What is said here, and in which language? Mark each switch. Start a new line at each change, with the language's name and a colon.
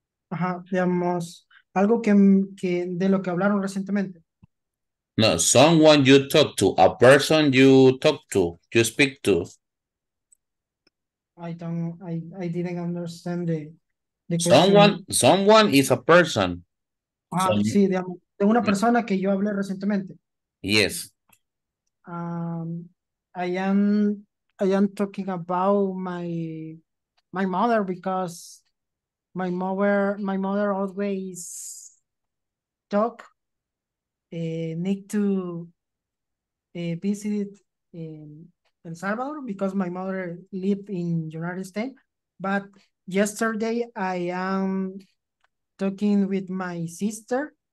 Spanish: Ajá, digamos, algo que de lo que hablaron recientemente.
English: No, someone you talk to, a person you talk to, you speak to. I didn't understand the Someone is a person.
Spanish: Ah, sí, de una persona que yo hablé recientemente.
English: Yes. I am talking about my mother, because my mother always talk need to visit in El Salvador, because my mother live in United States, but yesterday I am talking with my sister.